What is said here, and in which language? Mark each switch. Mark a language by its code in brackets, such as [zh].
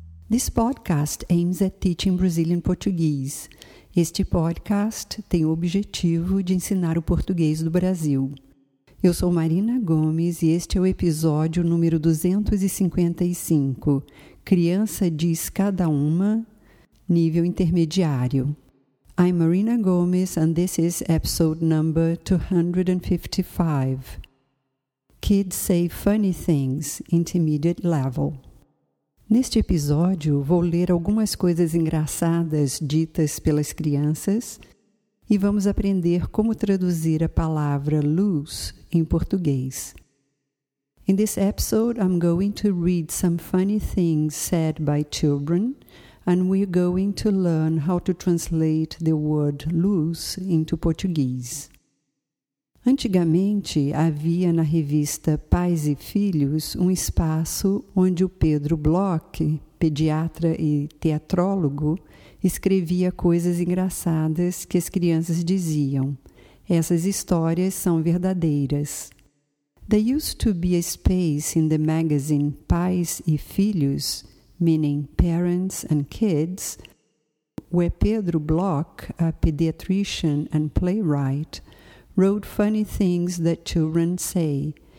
[en] This podcast aims at teaching Brazilian Portuguese. [pt] Este podcast tem o objetivo de ensinar o português do Brasil. Eu sou Marina Gomes e este é o episódio número 255. Criança diz cada uma, nível intermediário. [en] I'm Marina Gomes and this is episode number 255. Kids say funny things, intermediate level. [pt] Neste episódio, vou ler algumas coisas engraçadas ditas pelas crianças e vamos aprender como traduzir a palavra luz em português. [en] In this episode, I'm going to read some funny things said by children and we're going to learn how to translate the word luz into português. [pt] Antigamente, havia na revista Pais e Filhos um espaço onde o Pedro Bloch, pediatra e teatrólogo, escrevia coisas engraçadas que as crianças diziam. Essas histórias são verdadeiras. [en] There used to be a space in the magazine Pais e Filhos, meaning parents and kids, where Pedro Bloch, a pediatrician and playwright, wrote funny things that children say.